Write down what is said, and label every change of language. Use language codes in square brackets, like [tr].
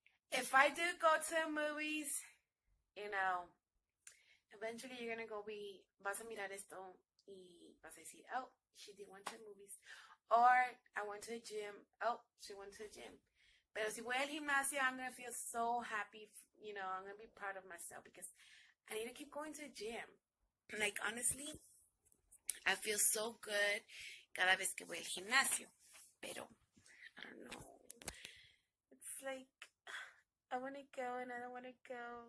[en] If I do go to the movies, you know, eventually you're going to go be, [es] vas a mirar esto y vas a decir, [en] oh, she did want to the movies. Or, I went to the gym. Oh, she went to the gym. [es] Pero si voy al gimnasio, [en] I'm going to feel so happy, you know, I'm going to be proud of myself because I need to keep going to the gym. Like, honestly, I feel so good [es] cada vez que voy al gimnasio. Pero, [en] I don't know. It's like, I want to go and I don't want to go.